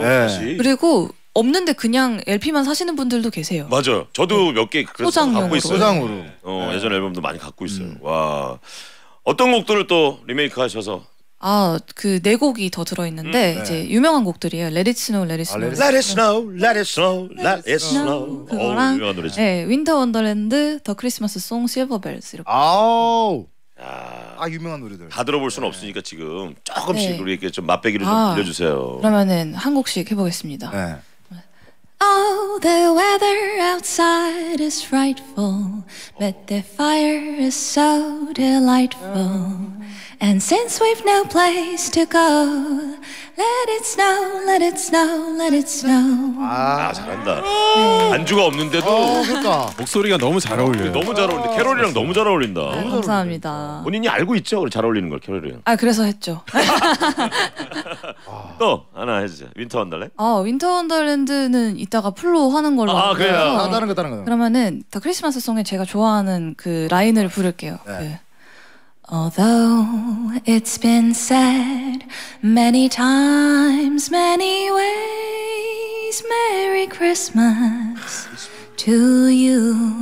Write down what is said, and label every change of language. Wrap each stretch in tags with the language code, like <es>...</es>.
<ko>네. 사실. 그리고 없는데 그냥 LP만 사시는 분들도 계세요. 맞아요. 저도 몇 개 그래서 갖고 있어요. 소장으로. 예전 앨범도 많이 갖고 있어요. 와, 어떤 곡들을 또 리메이크하셔서? 아, 그 네 곡이 더 들어있는데 이제 유명한 곡들이에요.</ko> <en>Let It Snow, Let It Snow, Let It Snow, Let It Snow, Let It Snow.</en> <ko>유명한 노래죠. 네, Winter Wonderland, The Christmas Song, Silver Bells 이렇게. 아, 유명한 노래들. 다 들어볼 수는 없으니까 지금 조금씩 우리에게 좀 맛보기를 좀 들려주세요. 그러면은 한 곡씩 해보겠습니다. 네.</ko> <en>Oh, the weather outside is frightful, but the fire is so delightful. And since we've no place to go, let it snow, let it snow, let it snow.</en> <ko>아, 잘한다. 안주가 없는데도 그러니까. 목소리가 너무 잘 어울려요. 너무 잘 어울린다. 캐롤이랑 너무 잘 어울린다. 너무 잘 감사합니다. 본인이 알고 있죠? 잘 어울리는 걸 캐롤이랑. 아, 그래서 했죠. 또 하나 해주세요. 윈터 원더랜드. 윈터 원더랜드는 이따가 풀로 하는 걸로. 아, 그래요? 다른 거. 그러면은 더 크리스마스 송에 제가 좋아하는 그 라인을 부를게요. 네. 그.</ko> <en>Although it's been said many times, many ways, Merry Christmas to you.</en>